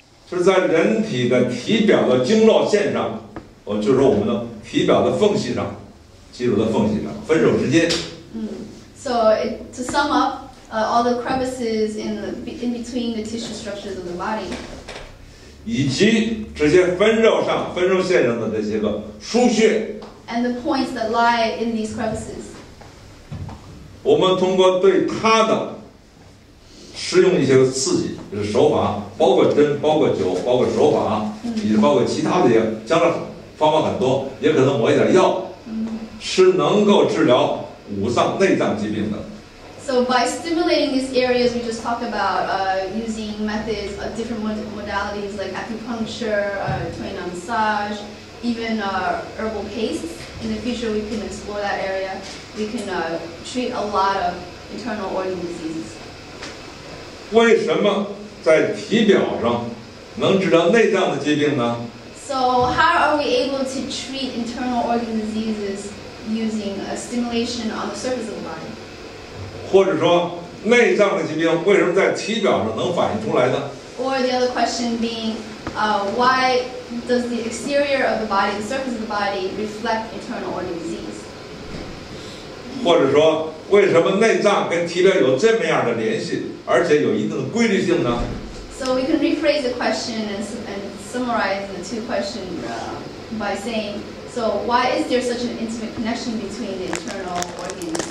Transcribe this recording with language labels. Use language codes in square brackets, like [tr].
[zh] 是在人体的体表的经络线上，我就是我们的体表的缝隙上，肌肉的缝隙上，分手之间。 [en] So to sum up, all the crevices in between the tissue structures of the body. [zh] 以及这些分肉上、分肉线上的这些个腧穴。 [en] And the points that lie in these crevices. [zh] 我们通过对它的使用一些个刺激，就是手法，包括针、包括灸、包括手法，以及包括其他的一些，加上方法很多，也可能抹一点药，是能够治疗五脏内脏疾病的。 [en] So by stimulating these areas we just talked about, using methods, different modalities like acupuncture, trainer massage, even herbal pastes. In the future, we can explore that area. We can treat a lot of internal organ diseases. [zh] 为什么在体表上能治疗内脏的疾病呢？ [en] So how are we able to treat internal organ diseases using a stimulation on the surface of the body? [zh] 或者说内脏的疾病为什么在体表上能反映出来呢？ [en] Or the other question being, why does the exterior of the body, the surface of the body, reflect internal organ disease? [zh] 或者说为什么内脏跟体表有这么样的联系，而且有一定的规律性呢？ [en] So we can rephrase the question and summarize the two questions by saying, so why is there such an intimate connection between the internal organs?